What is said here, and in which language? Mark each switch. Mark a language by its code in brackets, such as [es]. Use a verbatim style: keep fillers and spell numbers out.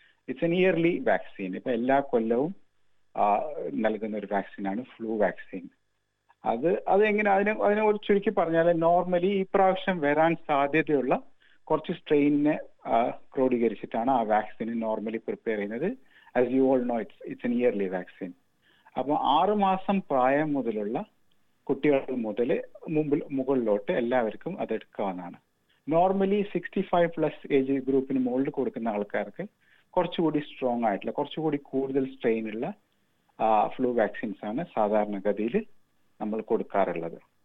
[en] It's an early vaccine. [ml] ഇപ്പം എല്ലാ കൊല്ലവും നൽകുന്ന ഒരു വാക്സിനാണ് ഫ്ലൂ വാക്സിൻ. അത് അത് എങ്ങനെ അതിനെ അതിനെ ഒരു ചുരുക്കി പറഞ്ഞാൽ നോർമലി ഈ പ്രാവശ്യം വരാൻ സാധ്യതയുള്ള കുറച്ച് സ്ട്രെയിനിനെ ക്രോഡീകരിച്ചിട്ടാണ് ആ വാക്സിന് നോർമലി പ്രിപ്പയർ ചെയ്യുന്നത്. [en] as you all know, it's it's an yearly vaccine. [ml] അപ്പോൾ ആറ് മാസം പ്രായം മുതലുള്ള കുട്ടികൾ മുതൽ മുമ്പിൽ മുകളിലോട്ട് എല്ലാവർക്കും അതെടുക്കാവുന്നതാണ്. Normally sixty five plus age ഗ്രൂപ്പിന് മുകളിൽ കൊടുക്കുന്ന ആൾക്കാർക്ക് കുറച്ചുകൂടി സ്ട്രോങ് ആയിട്ടുള്ള കുറച്ചുകൂടി കൂടുതൽ സ്ട്രെയിനുള്ള ഫ്ലൂ വാക്സിൻസ് ആണ് സാധാരണഗതിയിൽ നമ്മൾ കൊടുക്കാറുള്ളത്.